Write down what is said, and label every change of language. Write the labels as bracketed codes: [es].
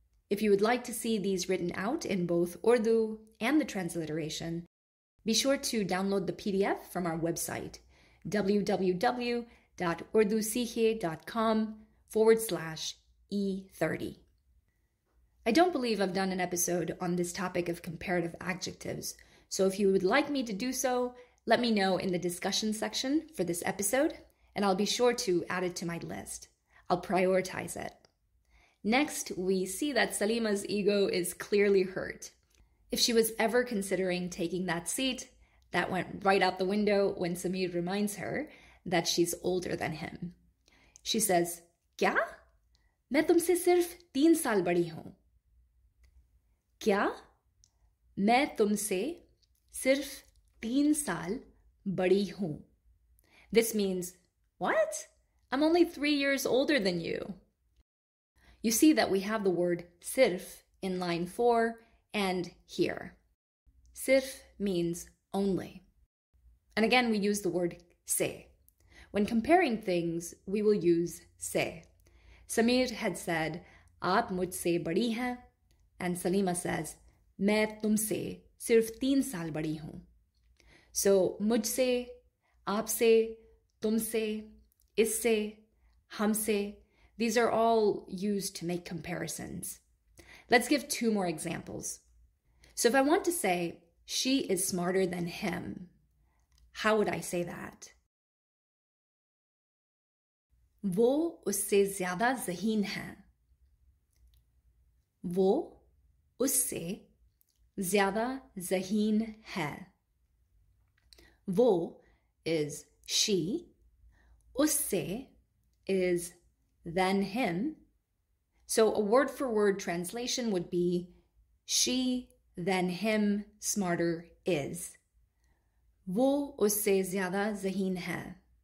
[en] If you would like to see these written out in both Urdu and the transliteration, be sure to download the PDF from our website, www.urdusikhe.com/e30. I don't believe I've done an episode on this topic of comparative adjectives, so if you would like me to do so, let me know in the discussion section for this episode, and I'll be sure to add it to my list. I'll prioritize it. Next, we see that Salima's ego is clearly hurt. If she was ever considering taking that seat, that went right out the window when Samir reminds her that she's older than him. She says, کیا? [ur] میں تم سے صرف 3 سال بڑی ہوں. Kya? میں تم سے صرف 3 سال بڑی ہوں. [en] This means, what? I'm only 3 years older than you. You see that we have the word sirf in line 4 and here. صرف means only. And again, we use the word سے. When comparing things, we will use سے. Samir had said, [ur] aap mujhse badi hain. [en] And Salima says, [ur] میں تم سے صرف 3 سال بڑی ہوں. [en] So مجھ سے, [ur] आपसे, तुमसे, इससे, हमसे. [en] These are all used to make comparisons. Let's give two more examples. So if I want to say, she is smarter than him, how would I say that? [ur] वो उससे ज्यादा ज़हीन है. वो उससे ज्यादा ज़हीन है. [en] वो is she, उससे is than him. So a word for word translation would be she than him smarter is. [ur] वो उससे ज्यादा ज़हीन है.